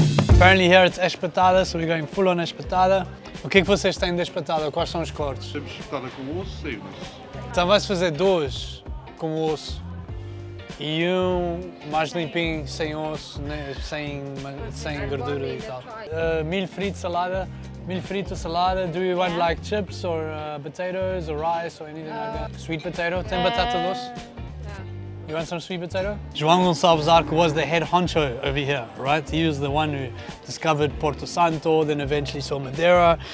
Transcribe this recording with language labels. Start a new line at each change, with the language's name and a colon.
English: Apparently here it's espetada, so we're going full on espetada.
Portuguese: O que é que vocês têm de espetada? Quais são os cortes? Temos espetada com osso, sem osso. Então vais fazer dois com osso e um mais limpinho, sem osso, né? sem gordura e tal. Milho frito, salada.
English: Do you want like chips or potatoes or rice or anything like that? Sweet potato,
Portuguese: tem batata doce?
English: You want some sweet potato? João Gonçalves Zarco was the head honcho over here, right? He was the one who discovered Porto Santo, then eventually saw Madeira.